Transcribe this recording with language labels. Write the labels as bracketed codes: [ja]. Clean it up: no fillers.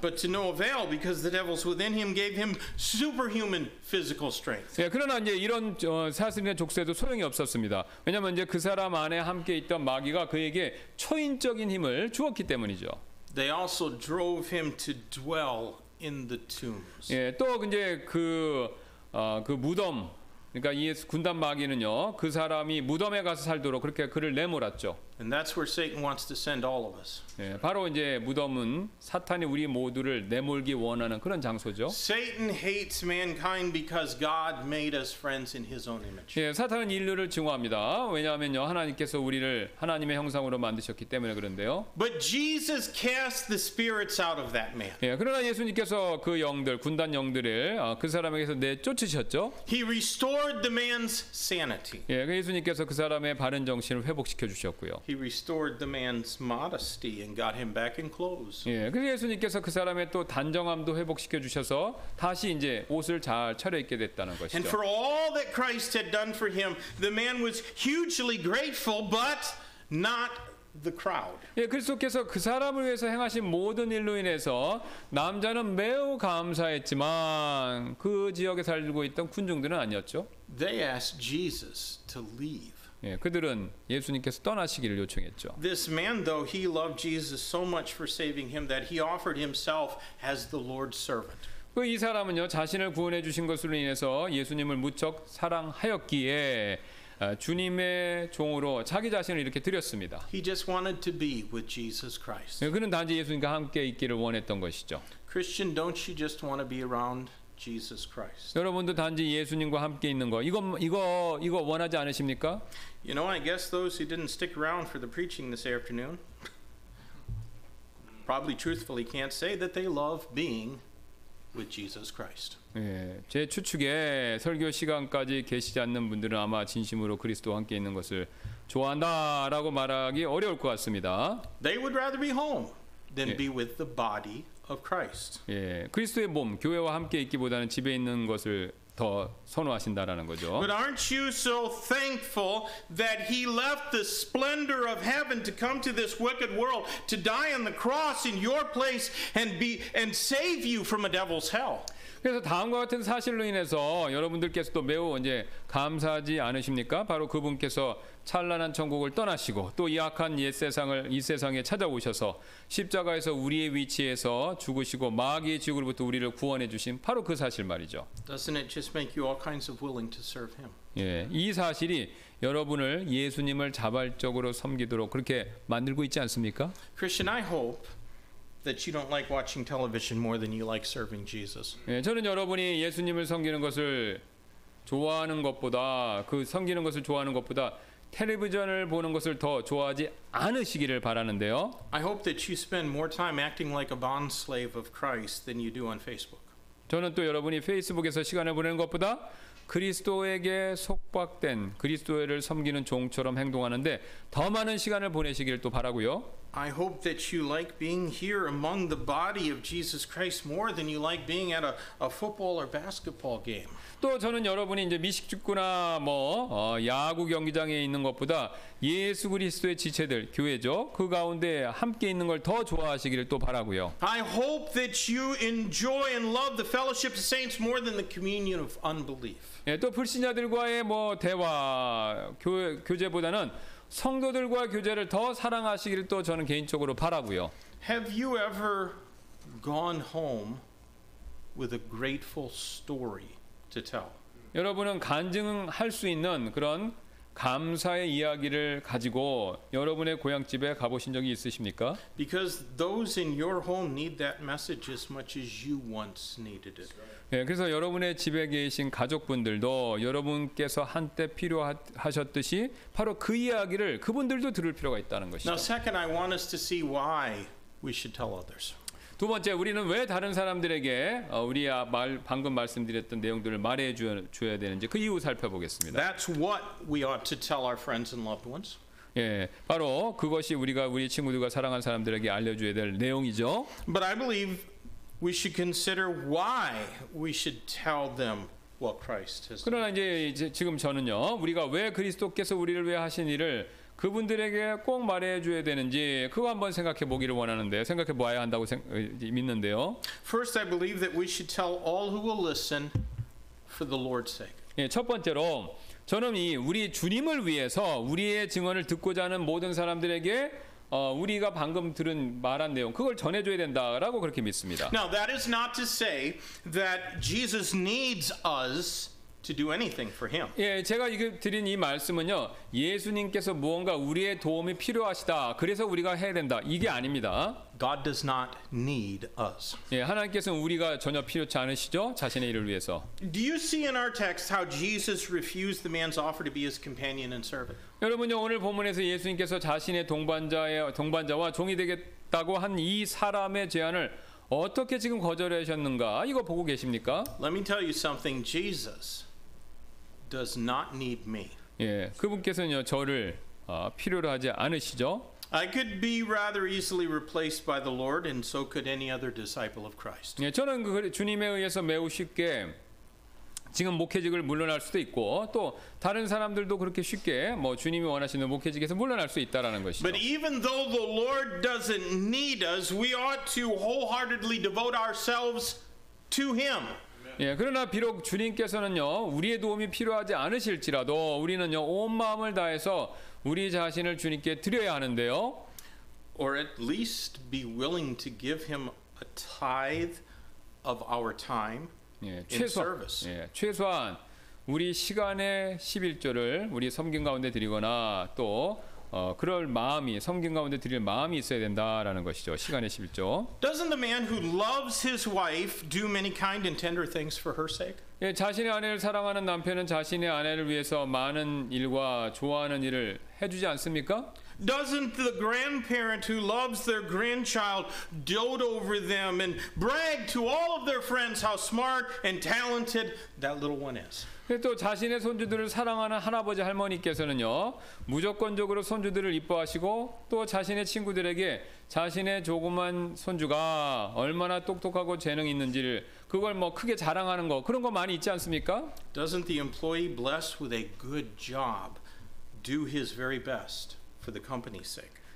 [en] But to no avail, because the devils within him gave him superhuman physical strength. [ko] 예, 그러나 이제 이런 사슬이나 족쇄도 소용이 없었습니다. 왜냐하면 이제 그 사람 안에 함께 있던 마귀가 그에게 초인적인 힘을 주었기 때문이죠. [en] They also drove him to dwell in the tombs. [ko] 예, 또 이제 그 무덤, 그러니까 이 군단 마귀는요, 그 사람이 무덤에 가서 살도록 그렇게 그를 내몰았죠. [en] And that's where Satan wants to send all of us. [ko] 예, 바로 이제 무덤은 사탄이 우리 모두를 내몰기 원하는 그런 장소죠. [en] Satan hates mankind because God made us friends in His own image. [ko] 예, 사탄은 인류를 증오합니다. 왜냐하면요, 하나님께서 우리를 하나님의 형상으로 만드셨기 때문에 그런데요. [en] But Jesus cast the spirits out of that man. [ko] 예, 그러나 예수님께서 그 영들, 군단 영들을 그 사람에게서 내쫓으셨죠. [en] He restored the man's sanity. [ko] 예, 예수님께서 그 사람의 바른 정신을 회복시켜 주셨고요. [en] He restored the man's modesty and got him back in clothes. [ko] 예, 그래서 예수님께서 그 사람의 또 단정함도 회복시켜 주셔서 다시 이제 옷을 잘 차려입게 됐다는 것이죠. [en] And for all that Christ had done for him, the man was hugely grateful, but not the crowd. [ko] 예, 그리스도께서 그 사람을 위해서 행하신 모든 일로 인해서 남자는 매우 감사했지만 그 지역에 살고 있던 군중들은 아니었죠. [en] They asked Jesus to leave. [ko] 예, 그들은 예수님께서 떠나시기를 요청했죠. [en] This man, though he loved Jesus so much for saving him, that he offered himself as the Lord's servant. [ko] 이 사람은요, 자신을 구원해 주신 것으로 인해서 예수님을 무척 사랑하였기에 주님의 종으로 자기 자신을 이렇게 드렸습니다. [en] He just wanted to be with Jesus Christ. [ko] 예, 그는 단지 예수님과 함께 있기를 원했던 것이죠. [en] Christian, don't you just want to be around Jesus Christ. [ko] 여러분도 단지 예수님과 함께 있는 거 이거 원하지 않으십니까? [en] You know, I guess those who didn't stick around for the preaching this afternoon probably truthfully can't say that they love being with Jesus Christ. [ko] 예, 제 추측에 설교 시간까지 계시지 않는 분들은 아마 진심으로 그리스도와 함께 있는 것을 좋아한다라고 말하기 어려울 것 같습니다. [en] They would rather be home. than be with the body of Christ. [ko] 예, 그리스도의 몸, 교회와 함께 있기보다는 집에 있는 것을 더 선호하신다라는 거죠. [en] But aren't you so thankful that he left the splendor of heaven to come to this wicked world to die on the cross in your place and be and save you from a devil's hell? [ko] 그래서 다음과 같은 사실로 인해서 여러분들께서도 매우 이제 감사하지 않으십니까? 바로 그분께서 찬란한 천국을 떠나시고 또 이 악한 옛 세상을 이 세상에 찾아오셔서 십자가에서 우리의 위치에서 죽으시고 마귀의 지옥으로부터 우리를 구원해 주신 바로 그 사실 말이죠. [en] Doesn't it just make you all kinds of willing to serve him? [ko] 예, 이 사실이 여러분을 예수님을 자발적으로 섬기도록 그렇게 만들고 있지 않습니까? [en] Christian, I hope that you don't like watching television more than you like serving Jesus. [ko] 예, 저는 여러분이 예수님을 섬기는 것을 좋아하는 것보다 그 섬기는 것을 좋아하는 것보다 텔레비전을 보는 것을 더 좋아하지 않으시기를 바라는데요. [en] I hope that you spend more time acting like a bond slave of Christ than you do on Facebook. [ko] 저는 또 여러분이 페이스북에서 시간을 보내는 것보다 그리스도에게 속박된 그리스도를 섬기는 종처럼 행동하는데 더 많은 시간을 보내시기를 또 바라고요. [en] I hope that you like being here among the body of Jesus Christ more than you like being at a football or basketball game. [ko] 또 저는 여러분이 이제 미식축구나 뭐 야구 경기장에 있는 것보다 예수 그리스도의 지체들 교회죠. 그 가운데 함께 있는 걸 더 좋아하시기를 또 바라고요. [en] I hope that you enjoy and love the fellowship of saints more than the communion of unbelief. [ko] 예, 또 불신자들과의 뭐 대화 교제보다는 성도들과 교제를 더 사랑하시기를 또 저는 개인적으로 바라고요. [en] Have you ever gone home with a grateful story to tell? [ko] 여러분은 간증할 수 있는 그런 감사의 이야기를 가지고 여러분의 고향집에 가보신 적이 있으십니까? [en] Because those in your home need that message as much as you once needed it. [ko] 예, 그래서 여러분의 집에 계신 가족분들도 여러분께서 한때 필요하셨듯이 바로 그 이야기를 그분들도 들을 필요가 있다는 것이죠. [en] Now second, I want us to see why we should tell others. [ko] 두 번째, 우리는 왜 다른 사람들에게 우리야 말 방금 말씀드렸던 내용들을 말해 줘야 되는지 그 이유 살펴보겠습니다. [en] That's what we ought to tell our friends and loved ones. [ko] 예, 바로 그것이 우리가 우리 친구들과 사랑한 사람들에게 알려 줘야 될 내용이죠. [en] But I believe we should consider why we should tell them what Christ has done. [ko] 그러나 이제 지금 저는요. 우리가 왜 그리스도께서 우리를 위해 하신 일을 그분들에게 꼭 말해줘야 되는지 그거 한번 생각해 보기를 원하는데 생각해 봐야 한다고 믿는데요. [en] First, I believe that we should tell all who will listen for the Lord's sake. [ko] 예, 첫 번째로 저는 이 우리 주님을 위해서 우리의 증언을 듣고자 하는 모든 사람들에게 우리가 방금 들은 말한 내용 그걸 전해줘야 된다라고 그렇게 믿습니다. [en] Now that is not to say that Jesus needs us to do anything for him. [ko] 예, 제가 이 드린 이 말씀은요. 예수님께서 무언가 우리의 도움이 필요하시다. 그래서 우리가 해야 된다. 이게 아닙니다. [en] God does not need us. [ko] 예, 하나님께서는 우리가 전혀 필요치 않으시죠. 자신의 일을 위해서. [en] Do you see in our text how Jesus refused the man's offer to be his companion and servant? [ko] 여러분요, 오늘 본문에서 예수님께서 자신의 동반자와 종이 되겠다고 한 이 사람의 제안을 어떻게 지금 거절하셨는가? 이거 보고 계십니까? [en] Let me tell you something. Jesus does not need me. [ko] 예, 그분께서는요 저를 필요로 하지 않으시죠? [en] I could be rather easily replaced by the Lord, and so could any other disciple of Christ. [ko] 예, 저는 그 주님에 의해서 매우 쉽게 지금 목회직을 물러날 수도 있고 또 다른 사람들도 그렇게 쉽게 뭐 주님이 원하시는 목회직에서 물러날 수 있다라는 것이죠. [en] But even though the Lord doesn't need us, we ought to wholeheartedly devote ourselves to him. [ko] 예, 그러나 비록 주님께서는요 우리의 도움이 필요하지 않으실지라도 우리는요 온 마음을 다해서 우리 자신을 주님께 드려야 하는데요. [en] Or at least be willing to give him a tithe of our time. [ko] 예, 최소한 우리 시간의 십일조를 우리 섬김 가운데 드리거나 또 그럴 마음이 섬김 가운데 드릴 마음이 있어야 된다라는 것이죠. 시간의 십일조. [en] Doesn't the man who loves his wife do many kind and tender things for her sake? [ko] 예, 자신의 아내를 사랑하는 남편은 자신의 아내를 위해서 많은 일과 좋아하는 일을 해주지 않습니까? [en] Doesn't the grandparent who loves their grandchild dote over them and brag to all of their friends how smart and talented that little one is? [ko] 또 자신의 손주들을 사랑하는 할아버지 할머니께서는요 무조건적으로 손주들을 이뻐하시고 또 자신의 친구들에게 자신의 조그만 손주가 얼마나 똑똑하고 재능 있는지를 그걸 뭐 크게 자랑하는 거 그런 거 많이 있지 않습니까? [en] Doesn't the employee blessed with a good job do his very best for the company's sake?